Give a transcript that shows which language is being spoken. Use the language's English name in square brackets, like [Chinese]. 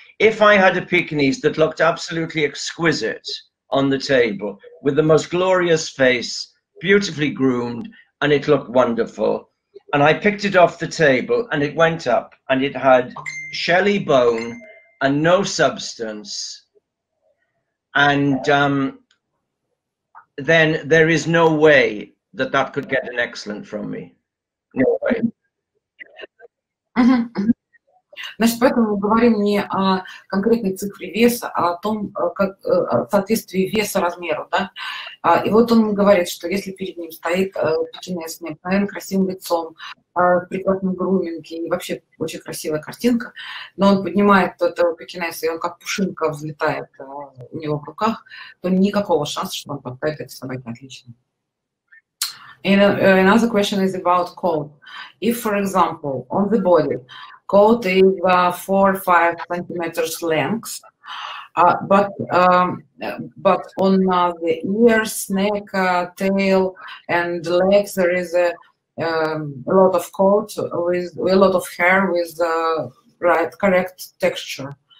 [English] If I had a Pekinese that looked absolutely exquisite on the table with the most glorious face, beautifully groomed, and it looked wonderful, and I picked it off the table and it went up and it had shelly bone and no substance, and then there is no way that could get an excellent from me. No way. [Russian] Значит, поэтому мы говорим не о конкретной цифре веса, а о том, как о соответствии веса размеру, да? И вот он говорит, что если перед ним стоит пекинес, наверное, красивым лицом, в прекрасном груминге, и вообще очень красивая картинка, но он поднимает этого пекинеса, и он как пушинка взлетает у него в руках, то никакого шанса, что он поставит эту собаку отлично. [English] Another question is about cold. If, for example, on the body, coat is 4-5 centimeters length, but on the ears, neck, tail, and legs, there is a lot of coat with a lot of hair with the right correct texture.